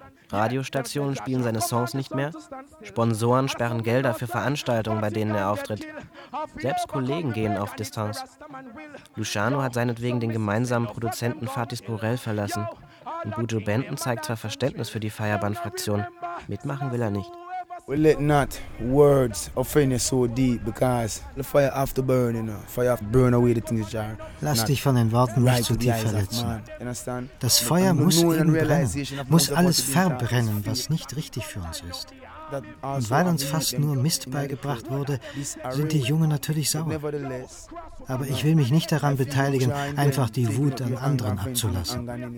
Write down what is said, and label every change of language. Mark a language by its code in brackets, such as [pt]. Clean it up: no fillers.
[de] Radiostationen spielen seine Songs nicht mehr. Sponsoren sperren Gelder für Veranstaltungen, bei denen er auftritt. Selbst Kollegen gehen auf Distanz. Luciano hat seinetwegen den gemeinsamen Produzenten Fatis Borel verlassen. Und Buju Benton zeigt zwar Verständnis für die Feierbahn-Fraktion. Mitmachen will er nicht. [en] We let not words offend you so deep, because the fire have to burn, you know. Fire have to burn away the things that are. [de] Lass dich von den Worten nicht zu tief verletzen. Das Feuer muss eben brennen, muss alles verbrennen, was nicht richtig für uns ist. Und weil uns fast nur Mist beigebracht wurde, sind die Jungen natürlich sauer. Aber ich will mich nicht daran beteiligen, einfach die Wut an anderen abzulassen.